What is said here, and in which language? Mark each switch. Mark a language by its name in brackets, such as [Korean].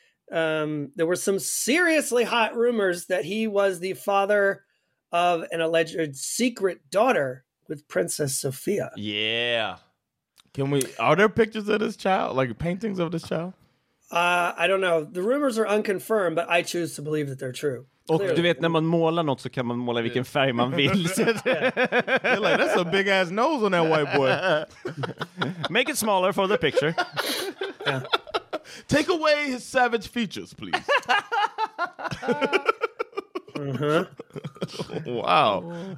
[English] There were some seriously hot rumors that he was the father of an alleged secret daughter with Princess Sophia. Yeah. Are there pictures of this child? Like paintings of this child? I don't know. The rumors are unconfirmed, but I choose to believe that they're true. [Swedish] Och clearly. Du vet, när man målar något så kan man måla vilken färg man vill. [English] You're like, that's a big ass nose on that white boy. Make it smaller for the picture. Yeah. Take away his savage features, please. Wow.